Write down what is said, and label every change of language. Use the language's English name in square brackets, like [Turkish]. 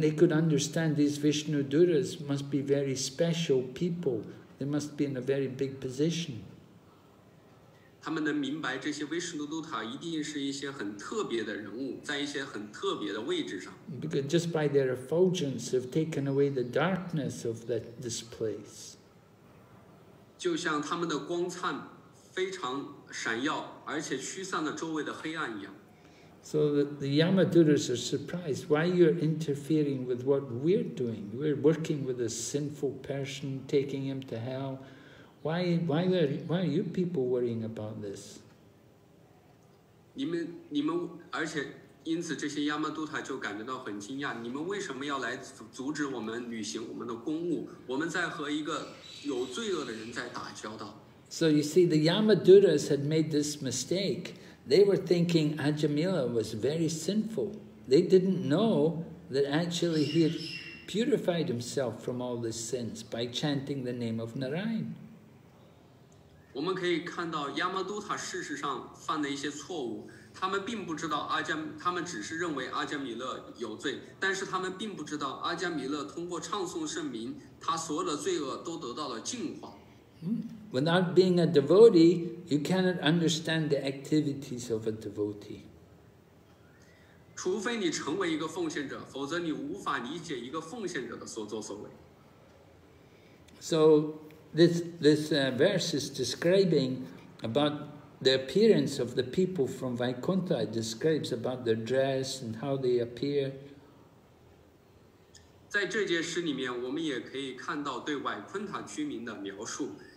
[English] they could understand these Vishnu Dutas must be very special people. They must be in a very big position. [Chinese] 他们能明白这些维什努都塔一定是一些很特别的人物，在一些很特别的位置上。 [English] Because just by their effulgence, have taken away the darkness of this place. [Chinese] 就像他们的光灿非常闪耀，而且驱散了周围的黑暗一样。 [English] So the Yamadutas are surprised. Why you're interfering with what we're doing? We're working with a sinful person, taking him to hell. Why are you people worrying about this? [Chinese] 你们而且因此这些亚玛杜塔就感觉到很惊讶，你们为什么要来阻止我们履行我们的公务？我们在和一个有罪恶的人在打交道。 [English] So you see, the Yamadutas had made this mistake. They were thinking Ajamila was very sinful. They didn't know that actually he had purified himself from all his sins by chanting the name of Narayan. [Chinese] 我们可以看到 Yamadutta 事实上犯了一些错误，他们并不知道阿加，他们只是认为阿加米勒有罪，但是他们并不知道阿加米勒通过唱诵圣名，他所有的罪恶都得到了净化。 [English] Without being a devotee, you cannot understand the activities of a devotee. [Chinese] 除非你成为一个奉献者，否则你无法理解一个奉献者的所作所为。 [English] So this verse is describing about the appearance of the people from Vaikuntha. It describes about their dress and how they appear. [Chinese] 在这节诗里面，我们也可以看到对瓦昆塔居民的描述。